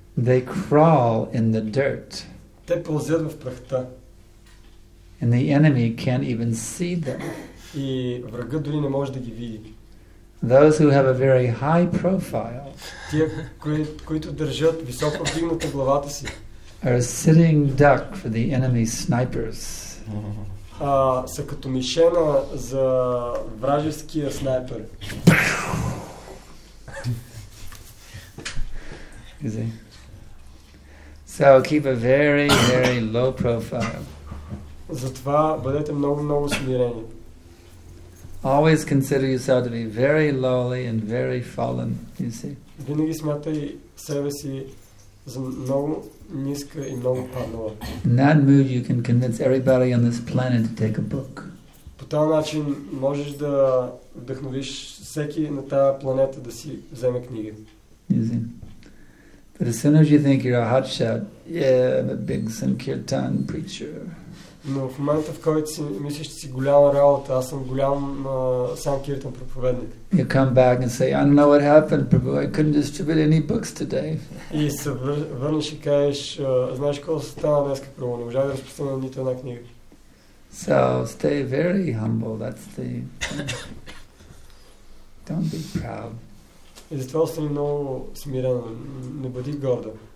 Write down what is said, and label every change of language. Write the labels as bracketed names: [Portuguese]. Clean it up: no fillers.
[English] They crawl in the dirt. [Bulgarian] Те ползят в прахта. [English] And the enemy can't even see them. [Bulgarian] И врагът дори не може да ги види. [English] Those who have a very high profile, [Bulgarian] тия, които държат високо вдигната главата си, [English] are a sitting duck for the enemy snipers. [Bulgarian] Са като мишена за вражеския снайпер. [English] So keep a very, very low profile. [Bulgarian] Затова бъдете много, много смирени. [English] Always consider yourself to be very lowly and very fallen, you see. [Bulgarian] Винаги смятай себе си за много ниска и много паднала. [English] In that mood you can convince everybody on this planet to take a book. [Bulgarian] По този начин можеш да вдъхновиш всеки на тази планета да си вземе книга. [English] You see. But as soon as you think you're a hot shot, I'm a big Sankirtan preacher. [Bulgarian] Но в момента, в който си мислиш, че си голяма работа, аз съм голям санкиртан проповедник. [English] You come back and say, I don't know what happened, Prabhu, I couldn't distribute any books today. [Bulgarian] И се върнеш и кажеш, знаеш какво се стана днес, Прабу, не можах да разпространя нито една книга. [English] So, stay very humble, that's the... Don't be proud. [Bulgarian] И затова остани много смирен, не бъди горда.